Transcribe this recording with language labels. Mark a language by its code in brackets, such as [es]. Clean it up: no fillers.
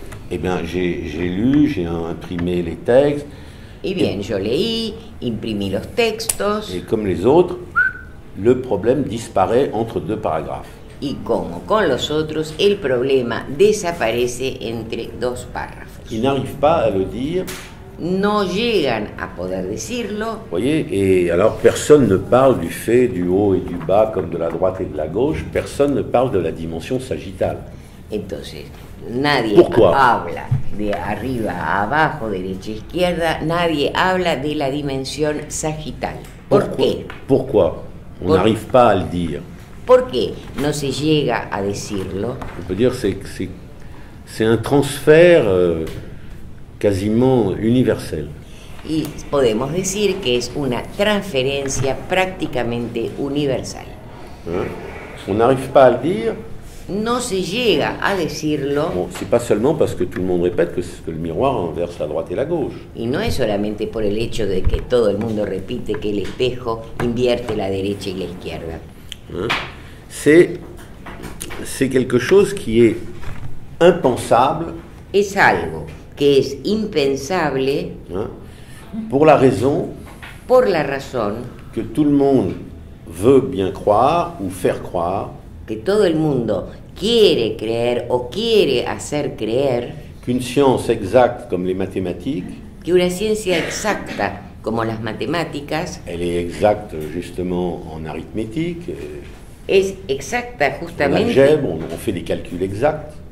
[fr] Eh bien, j'ai lu, j'ai imprimé les textes. [es] Y bien, yo leí, imprimí los textos. [fr] Et comme les autres, le problème disparaît entre deux paragraphes. [es] Y como con los otros, el problema desaparece entre dos párrafos. [fr] Il n'arrive pas à le dire. [es] No llegan a poder decirlo. [fr] Vous voyez, et alors personne ne parle du fait du haut et du bas comme de la droite et de la gauche, personne ne parle de la dimension sagittale. [es] Entonces, nadie. [fr] Pourquoi? [es] Habla de arriba a abajo, derecha a izquierda, nadie habla de la dimensión sagital. ¿Por qué? [fr] Pourquoi? On n'arrive pas à le dire. [es] ¿Por qué no se llega a decirlo? [fr] On peut dire c'est un transfert quasiment universel. [es] y podemos decir que es una transferencia prácticamente universal. [fr] On n'arrive pas à le dire. [es] No se llega a decirlo. [fr] Bon, c'est pas seulement parce que tout le monde répète que le miroir inverse la droite et la gauche. [es] Y no es solamente por el hecho de que todo el mundo repite que el espejo invierte la derecha y la izquierda. [fr] C'est quelque chose qui est impensable. [es] Es algo que es impensable. [fr] Pour la raison. [es] Por la razón. [fr] Que tout le monde veut bien croire ou faire croire. [es] Que todo el mundo quiere creer o quiere hacer creer. [fr] Qu'une science exacte comme les mathématiques. [es] Que una ciencia exacta como las matemáticas. [fr] Elle est exacte justement en arithmétique. [es] Es exacta justamente. En algebra, on fait des calculs exacts.